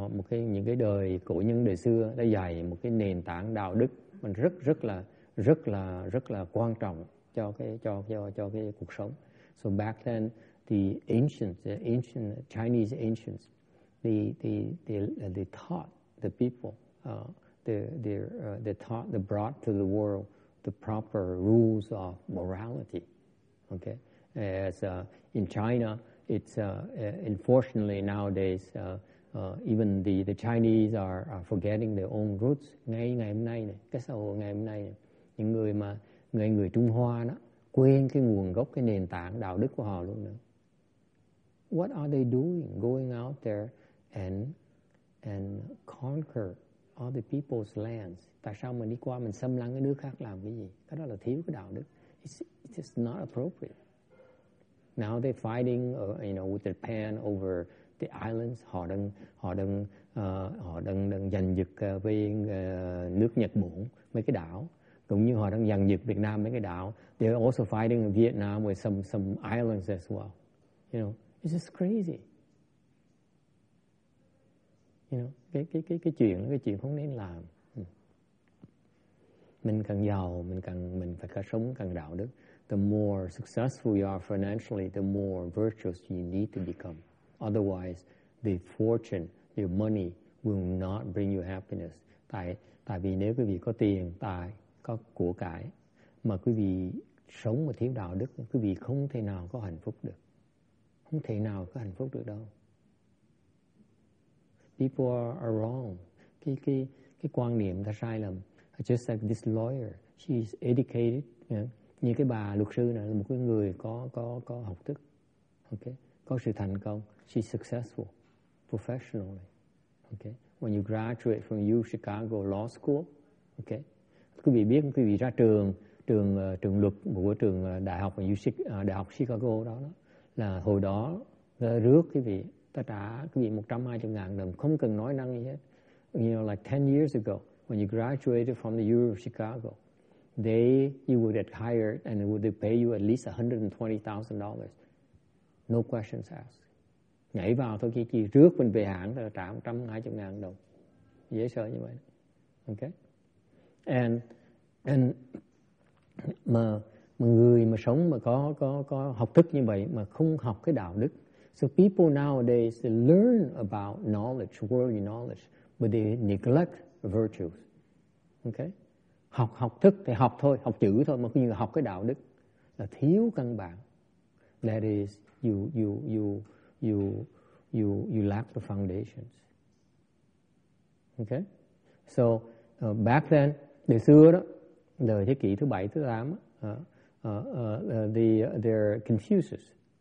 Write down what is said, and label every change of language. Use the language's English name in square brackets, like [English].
[Vietnamese] Những cái đời cổ nhân đời xưa đã dạy một cái nền tảng đạo đức mình rất là quan trọng cho cái cuộc sống. [English] So back then the ancient Chinese ancients, they taught the people, they taught the brought to the world the proper rules of morality. Okay, as in China, it's unfortunately nowadays even the Chinese are forgetting their own roots. [Vietnamese] Ngày hôm nay này, cái xã hội ngày hôm nay này, những người Trung Hoa đó quên cái nguồn gốc, cái nền tảng đạo đức của họ luôn nữa. [English] What are they doing going out there and conquer all the people's lands? [Vietnamese] Tại sao mình đi qua mình xâm lăng cái nước khác làm cái gì? Cái đó là thiếu cái đạo đức. [English] It's not appropriate. Now they're fighting, you know, with Japan over the islands. [Vietnamese] Họ đang giành giật với nước Nhật Bản mấy cái đảo. Cũng như họ đang giành giật Việt Nam mấy cái đảo. [English] They're also fighting in Vietnam with some islands as well. You know, it's just crazy. [Vietnamese] You know, cái chuyện không nên làm. Mình càng giàu, mình phải có sống càng đạo đức. [English] The more successful you are financially, the more virtuous you need to become. Otherwise, the fortune, your money will not bring you happiness. [Vietnamese] Tại vì nếu quý vị có tiền tài, có của cải mà quý vị sống mà thiếu đạo đức, quý vị không thể nào có hạnh phúc được. Không thể nào có hạnh phúc được đâu. [English] People are wrong. [Vietnamese] Cái quan niệm đã sai lầm. [English] Just like this lawyer, she's educated, you know? [Vietnamese] Như cái bà luật sư này là một cái người có học thức, okay, có sự thành công, [English] she's successful professionally, [Vietnamese] okay. [English] When you graduate from U Chicago Law School, okay, [Vietnamese] quý vị biết quý vị ra trường luật của trường đại học Chicago đó là hồi đó rước quý vị, ta trả quý vị 120,000 đồng, không cần nói năng gì hết. [English] You know, like 10 years ago when you graduated from the U of Chicago, you would get hired and would they pay you at least $120,000. No questions asked. [Vietnamese] Nhảy vào thôi, khi rước mình về hãng là trả 120,000 đồng. Dễ sợ như vậy. Okay? And mà người mà sống mà có học thức như vậy mà không học cái đạo đức. [English] So people nowadays they learn about knowledge, worldly knowledge, but they neglect virtues. Okay? [Vietnamese] Học thức thì học thôi, học chữ thôi, mà cứ như học cái đạo đức là thiếu căn bản. [English] That is you lack the foundations. Okay? So back then, [Vietnamese] đời xưa đó, đời thế kỷ thứ 7 thứ 8 [English] they're Confucius.